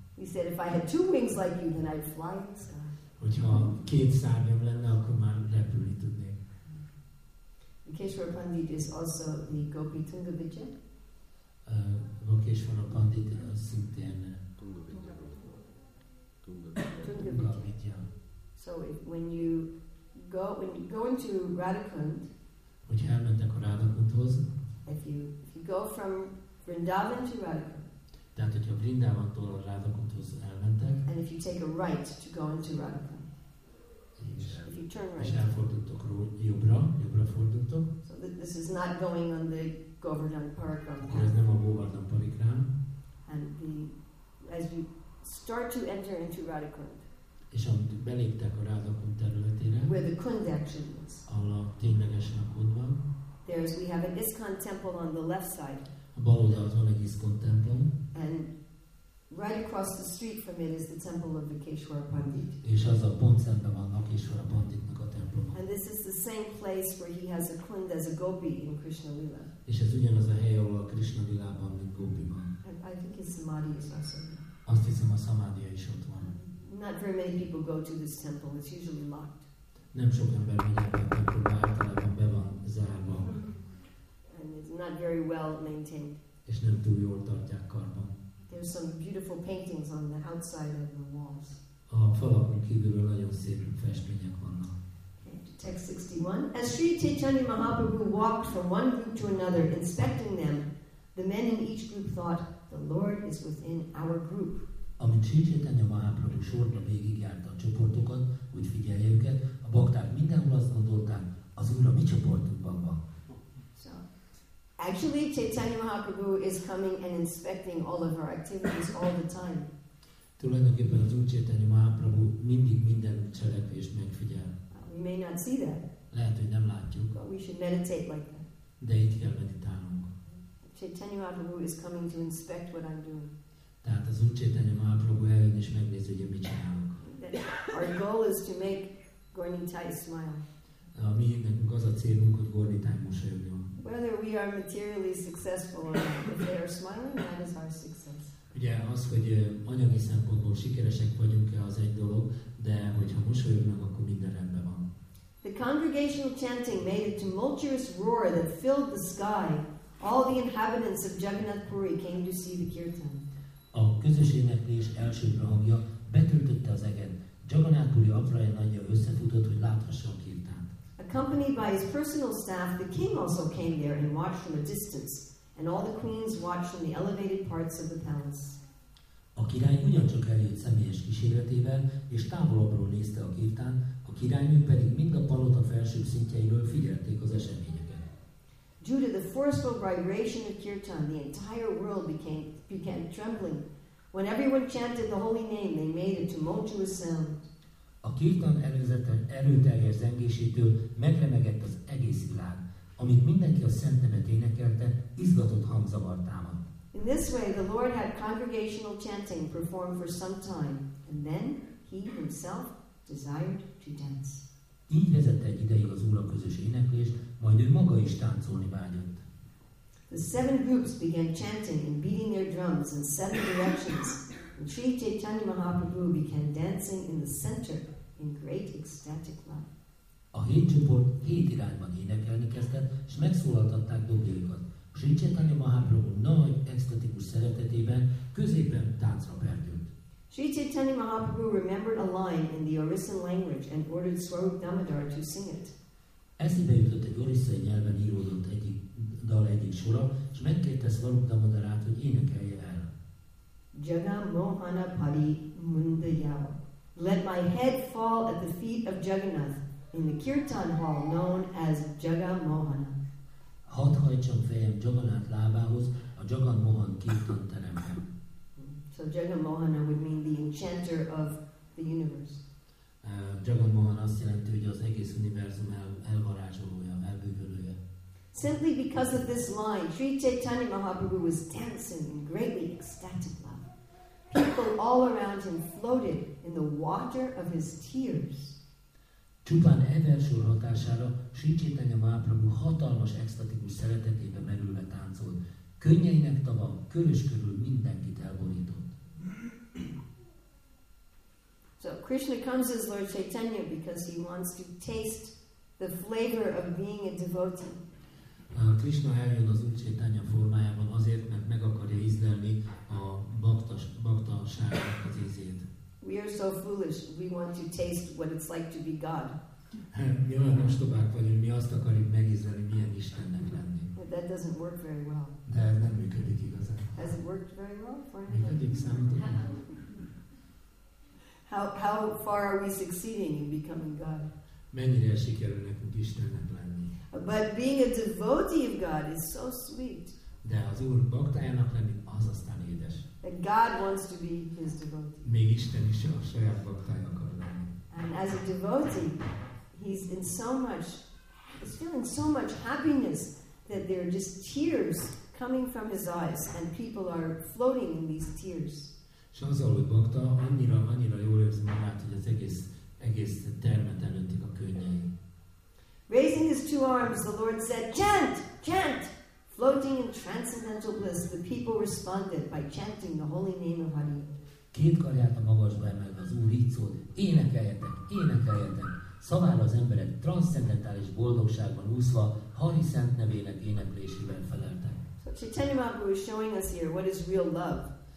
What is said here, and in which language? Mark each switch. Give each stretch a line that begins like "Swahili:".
English: He said, if I had two wings like you, then I'd fly in the sky.
Hungarian: Hogyha két szárnyam lenne, akkor már repülni tudnék.
English: Vakeshwara Pandit is also the Gopi Tungabhija.
Hungarian: Vakeshwara Pandit az szintén Tungabhija.
English: So when you go into Radhakund,
Hungarian: hogyha elmentek a Radhakundhoz,
English: if you go from Vrindavan to Radhakund,
Hungarian: tehát, hogyha Vrindavantól Radhakundhoz elmentek,
English: and if you take a right to go into Radhakund, if you turn right,
Hungarian: és elfordultok jobbra fordultok,
English: so this is not going on the Govardhan Park,
Hungarian: akkor ez nem a Govardhan Park rám,
English: as you start to enter into Radhakund,
Hungarian: és amit beléptek a Radhakund területére,
English: where the Kund action was,
Hungarian: ahol a ténylegesen a Kund van,
English: we have an ISKCON temple on the left side.
Hungarian: A bal oldalon van egy ISKCON temple.
English: And right across the street from it is the temple of Vakeshwara Pandit.
Hungarian: És az a pont szemben van Vakeshwara Panditnak a temploma.
English: And this is the same place where he has a kund as a gopi in Krishna Lila.
Hungarian: És ez ugyanaz a hely, ahol a Krishna Lilában, mint gopi van.
English: I think his samadhi is also.
Hungarian: Azt hiszem, a szamádia is ott van.
English: Not very many people go to this temple. It's usually locked.
Hungarian: Nem sok ember megy a templomba, általában be van zárva.
English: And it's not very well maintained.
Hungarian: És nem túl jól tartják karban.
English: There's some beautiful paintings on the outside of the walls.
Hungarian: A falakon kívülről nagyon szép festmények vannak.
English: Text 61. As Sri Chaitanya Mahaprabhu walked from one group to another, inspecting them, the men in each group thought, "The Lord is within our group."
Hungarian: Amint Sri Chaitanya Mahaprabhu sorba végigjárta a csoportokat, hogy figyelje őket, a bakták mindenhol azt gondolták, az Úr a mi csoportunkban van.
English: So, actually, Chaitanya Mahaprabhu is coming and inspecting all of our activities all the time.
Hungarian: Tulajdonképpen az Úr Chaitanya Mahaprabhu mindig minden cselekvést megfigyel.
English: We may not see that.
Hungarian: Lehet, hogy nem látjuk.
English: But we should meditate like that.
Hungarian: De itt kell meditálnunk.
English: Chaitanya Mahaprabhu is coming to inspect what I'm doing.
Hungarian: Tehát az Úr Chaitanya Mahaprabhu eljön és megnézi, hogy én mit csinálok.
English: Our goal is to make Gornitai smile.
Hungarian: A mi nekünk az a célunk, hogy Gornitai mosolyogjon.
English: Whether we are materially successful or not, if they are smiling, that is our success.
Hungarian: Ugye az, hogy anyagi szempontból sikeresek vagyunk-e, az egy dolog, de hogyha mosolyognak, akkor minden rendben van.
English: The congregational chanting made a tumultuous roar that filled the sky. All the inhabitants of Jagannath Puri came to see the kirtan.
Hungarian: A közös éneklés első hangja betöltötte az eget. Jagannath Puri apraja nagyja összefutott, hogy láthassa a kirtánt.
English: Accompanied by his personal staff, the king also came there and watched from a distance. And all the queens watched from the elevated parts of the palace.
Hungarian: A király ugyancsak eljött személyes kíséretével, és távolabbról nézte a kirtán, a királynő pedig mind a palota felső szintjeiről figyelték az eseményeket.
English: Due to the forceful vibration of kirtan, the entire world began trembling. When everyone chanted the holy name, they made a tumultuous sound.
Hungarian: A kirtan erőteljes zengésétől megremegett az egész világ. Amint mindenki a szent nevet énekelte, izgatott hangzavar támadt.
English: In this way, the Lord had congregational chanting performed for some time, and then he himself desired to dance.
Hungarian: Így vezette egy ideig az Úr a közös éneklést, majd ő maga is táncolni vágyott.
English: The seven groups began chanting and beating their drums in seven directions, and Sri Chaitanya Mahaprabhu began dancing in the center in great ecstatic love.
Hungarian: A hét csoport hét irányban énekelni kezdett, és megszólaltatták dobjaikat. Sri Chaitanya Mahaprabhu nagy, extatikus szeretetében középen táncra perdült.
English: Sri Chaitanya Mahaprabhu remembered a line in the Orissan language and ordered Swarup Damodar to sing it.
Hungarian: Eszébe jutott egy orissai nyelven íródott egyik dal egyik sora, és megkérte Swarup Damodarát, hogy énekelje el.
Odia: Jaga Mohana Pari Mundayav.
English: Let my head fall at the feet of Jagannath. In the kirtan hall known as Jagamohana.
Hungarian: Hadd hajtsam fejem Jagannath lábához, a Jagamohan kirtan teremben.
English: So Jagamohana would mean the enchanter of the universe.
Hungarian: Jagamohan azt jelenti, hogy az egész univerzum elvarázsolója, elbűvölője.
English: Simply because of this line, Sri Chaitanya Mahaprabhu was dancing in greatly ecstatic love. People all around him floated in the water of his tears.
Hungarian: Csupán e versor hatására Sri Chaitanya Mahaprabhu hatalmas extatikus szeretetébe merülve táncolt. Könnyeinek tava körös körül mindenkit elborított.
English: So Krishna comes as Lord Chaitanya because he wants to taste the flavor of being a devotee.
Hungarian: Krishna eljön az Úr Chaitanya formájában azért, mert meg akarja ízlelni a baktaságnak az ízét.
English: We are so foolish. We want to taste what it's like to be God.
Hungarian: Mi olyan ostobák vagyunk, mi azt akarjuk megízleni, milyen Istennek lenni.
English: But that doesn't work very well.
Hungarian: De ez nem működik igazán.
English: Has it worked very well for anybody?
Hungarian: Működik számítani.
English: How far are we succeeding in becoming God?
Hungarian: Mennyire sikerül nekünk Istennek lenni?
English: But being a devotee of God is so sweet.
Hungarian: De az Úr baktájának lenni, az aztán édes.
English: And God wants to be his devotee.
Hungarian: Még Isten is a saját baktája akar lenni.
English: And as a devotee, he's in so much, he's feeling so much happiness that there are just tears coming from his eyes and people are floating in these tears.
Hungarian: És azzal, hogy bakta, annyira jól érzi magát, hogy az egész termet elöntik a könnyei.
English: Raising his two arms, the Lord said, chant, chant! Floating in transcendental bliss, the people responded by chanting the holy name of Hari.
Hungarian: Két karját a magasba emelve az Úr így szólt, énekeljetek, énekeljetek. Szavára az emberek transzcendentális boldogságban úszva, Hari szent nevének éneklésében feleltek.
English: So Chaitanya Mahaprabhu is showing us here what is real love.